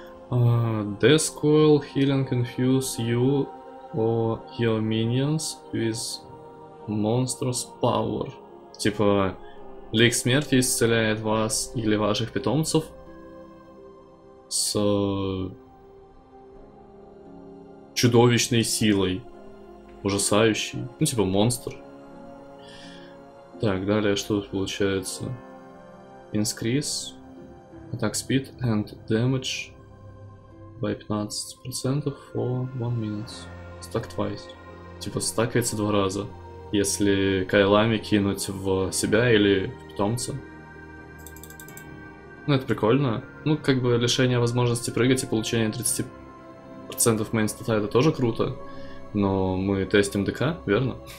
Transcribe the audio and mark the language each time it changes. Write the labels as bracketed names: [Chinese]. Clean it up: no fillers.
[English] Death Coil, Healing, Infuse you or your minions with monstrous power. [Russian] Типа, Лик Смерти исцеляет вас или ваших питомцев с чудовищной силой. Ужасающий. Ну, типа, монстр. Так, далее что тут получается? [English] Increase attack speed and damage by 15% for 1 minute. Stack twice. [Russian] Типа, стакается два раза, если кайлами кинуть в себя или в питомца. Ну, это прикольно. Ну, как бы, лишение возможности прыгать и получение 30% main стата — это тоже круто. Но мы тестим ДК, верно?